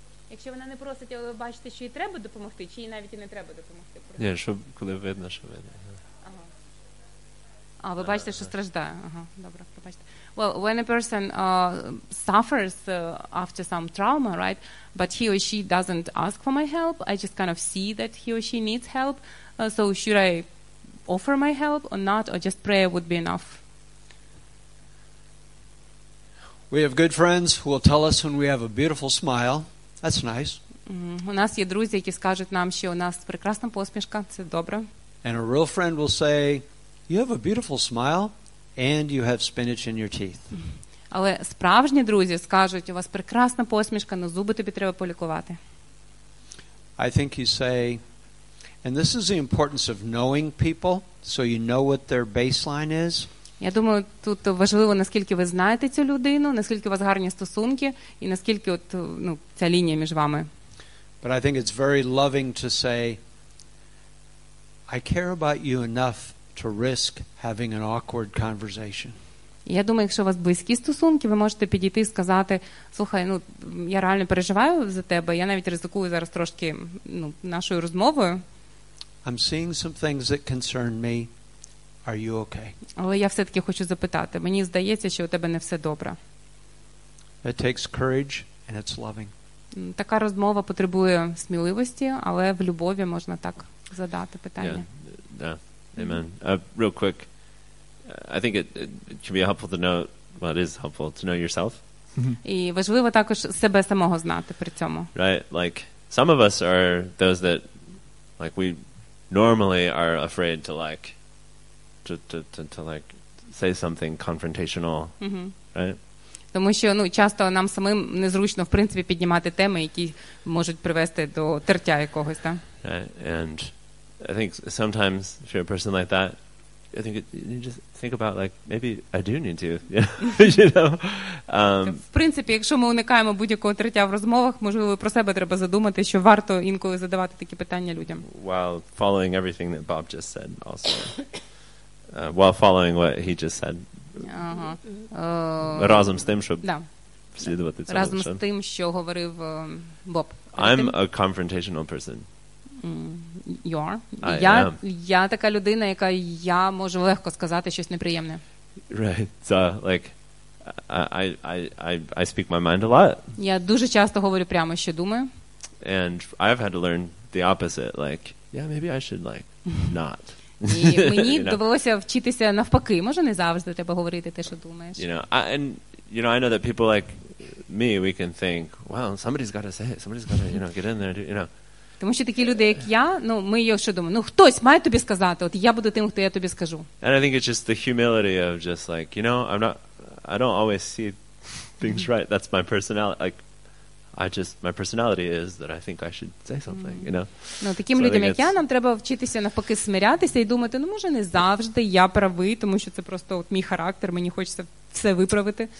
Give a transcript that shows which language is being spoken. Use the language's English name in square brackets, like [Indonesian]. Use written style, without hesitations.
[Ukrainian] Якщо вона не просить, але бачите, що їй треба допомогти, чи їй навіть і не треба допомогти? Ні, щоб коли видно, що видно. А, ви бачите, що страждає. Ага, добре, пробачте. [English] Well, when a person suffers after some trauma, right, but he or she doesn't ask for my help, I just kind of see that he or she needs help, so should I offer my help or not, or just prayer would be enough? We have good friends who will tell us when we have a beautiful smile. That's nice. [Ukrainian] У нас є друзі, які скажуть нам, що у нас прекрасна посмішка. Це добре. [English] And a real friend will say, you have a beautiful smile and you have spinach in your teeth. [Ukrainian] Але справжні друзі скажуть, у вас прекрасна посмішка, але зуби тобі треба полікувати. [English] I think you say, and this is the importance of knowing people, so you know what their baseline is. [Ukrainian] Я думаю, тут важливо, наскільки ви знаєте цю людину, наскільки у вас гарні стосунки і наскільки от, ну, ця лінія між вами. [English] But I think it's very loving to say, I care about you enough to risk having an awkward conversation. [Ukrainian] Я думаю, якщо у вас близькі стосунки, ви можете підійти і сказати: "Слухай, ну, я реально переживаю за тебе, я навіть ризикую зараз трошки, ну, нашою розмовою. [English] I'm seeing some things that concern me. Are you okay?" [Ukrainian] Але я все-таки хочу запитати. Мені здається, що у тебе не все добре. [English] It takes courage and it's loving. [Ukrainian] Така розмова потребує сміливості, але в любові можна так задати питання. [English] Yeah. Yeah. Amen. Real quick, I think it can be helpful to know, well, it is helpful to know yourself. [Ukrainian] І важливо також себе самого знати при цьому. [English] Right, like, some of us are those that, like, we normally are afraid to, like, to like, say something confrontational, right? [Ukrainian] Тому що, ну, часто нам самим незручно, в принципі, піднімати теми, які можуть привести до тертя якогось, так? [English] Right, and I think sometimes if you're a person like that, I think you just think about, like, maybe I do need to, you know. [Ukrainian] В принципі, якщо ми уникаємо будь-якого третя в розмовах, можливо, про себе треба задумати, що варто інколи задавати такі питання людям. [English] While following everything that Bob just said also. While following what he just said. [Ukrainian] Ага. Разом з тим, щоб слідувати цьому. Разом з тим, що говорив Боб. [English] I'm a confrontational person. You are. [Ukrainian] Я така людина, яка я можу легко сказати щось неприємне. [English] Right. So, like, I speak my mind a lot. [Ukrainian] Я дуже часто говорю прямо, що думаю. [English] And I've had to learn the opposite, like, yeah, maybe I should, like, not. [Ukrainian] І мені довелося вчитися навпаки, може не завжди треба говорити те, що думаєш. [English] You know, I know that people like me, we can think, well, somebody's got to say it, somebody's got to, you know, get in there, you know. [Ukrainian] Тому що такі люди, як я, ну, ми його ще думаємо, ну, хтось має тобі сказати, от я буду тим, хто я тобі скажу. [English] And I think it's just the humility of just, like, you know, I don't always see things right. That's my personality. Like, my personality is that I think I should say something, you know. [Ukrainian] Ну, таким людям, як я, нам треба вчитися навпаки смирятися і думати, ну, може, не завжди я правий, тому що це просто от мій характер, мені хочеться все виправити.